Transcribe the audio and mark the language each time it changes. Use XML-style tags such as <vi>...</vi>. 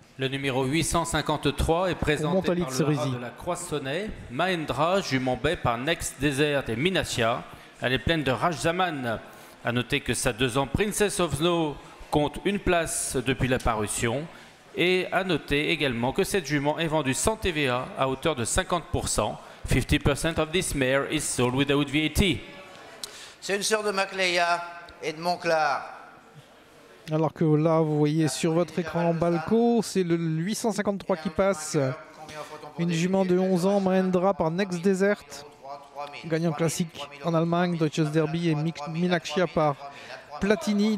<fr>Le numéro 853 est présenté par le roi de la Croissonnet, Mahendra, jument bai par Next Desert et Minasia. Elle est pleine de Rajzaman. A noter que sa 2 ans Princess of Snow compte une place depuis la parution. Et à noter également que cette jument est vendue sans TVA à hauteur de 50%.</fr> <en>50% of this mare is sold without VAT.</en> <fr>C'est une sœur de Macleya et de Montclar. Alors que là, vous voyez sur votre écran en balco, c'est le 853 qui passe. Une jument de 11 ans, Mahendra par Next Desert, gagnant classique en Allemagne, Deutsches Derby et Minaxia par Platini.</fr>